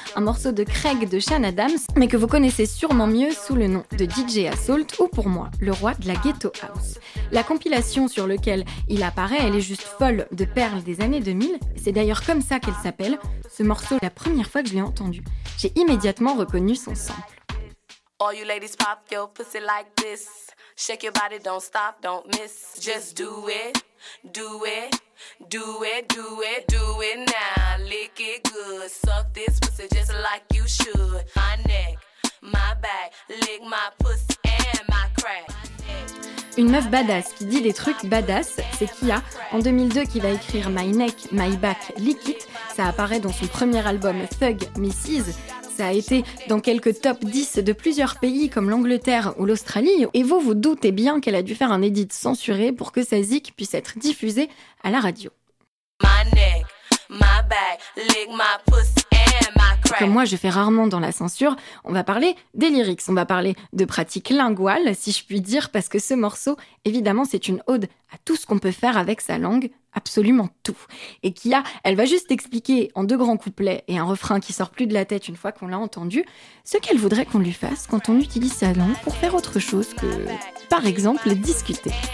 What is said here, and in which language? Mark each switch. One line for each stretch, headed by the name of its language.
French: Un morceau de Craig de Sean Adams, mais que vous connaissez sûrement mieux sous le nom de DJ Assault, ou pour moi, le roi de la Ghetto House. La compilation sur laquelle il apparaît, elle est juste folle de perles des années 2000. C'est d'ailleurs comme ça qu'elle s'appelle, ce morceau, la première fois que je l'ai entendu. J'ai immédiatement reconnu son sample.
English: All you ladies pop your pussy like this. Shake your body, don't stop, don't miss. Just do it, do it, do it, do it, do it now. Lick it good, suck this pussy just like you should. My neck, my back, lick my pussy and my crack.
French: Une meuf badass qui dit des trucs badass, c'est Kia. En 2002, qui va écrire
English: My neck, my back, lick it.
French: Ça apparaît dans son premier album Thug Misses. Ça a été dans quelques top 10 de plusieurs pays comme l'Angleterre ou l'Australie. Et vous vous doutez bien qu'elle a dû faire un edit censuré pour que sa zik puisse être diffusée à la radio.
English: My neck, my back, lick my pussy and my crack.
French: Comme moi, je fais rarement dans la censure, on va parler des lyrics. On va parler de pratiques linguales, si je puis dire, parce que ce morceau, évidemment, c'est une ode à tout ce qu'on peut faire avec sa langue. Absolument tout. Et Kia, elle va juste expliquer en deux grands couplets et un refrain qui sort plus de la tête une fois qu'on l'a entendu, ce qu'elle voudrait qu'on lui fasse quand on utilise sa langue pour faire autre chose que, par exemple, discuter.